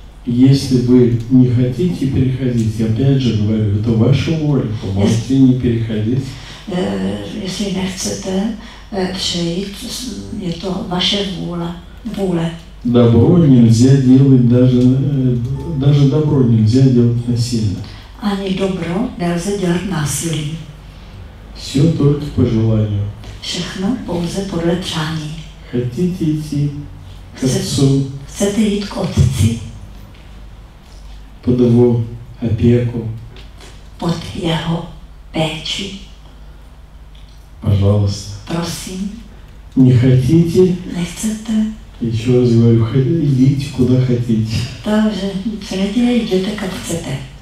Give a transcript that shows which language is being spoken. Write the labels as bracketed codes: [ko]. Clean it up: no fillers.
[ru] Если вы не хотите переходить, я опять же говорю, это ваша воля, поможете если, не переходить. Если не хотите перейти, это ваша воля. Воля. Добро нельзя делать даже добро нельзя делать насильно. [cs] Ani dobro nelze dělat násilí. [ru] Все только по желанию. [cs] Všechno pouze podle přání. [ru] Хотите идти к отцу? [cs] Chcete jít k otci? [ru] Под его опеку? [cs] Под jeho péči? [ru] Пожалуйста. [cs] Prosím. [ru] Не хотите? [cs] Nechcete? [ru] Еще раз говорю, идите куда хотите. [cs] Takže přijďte, jděte kam chcete.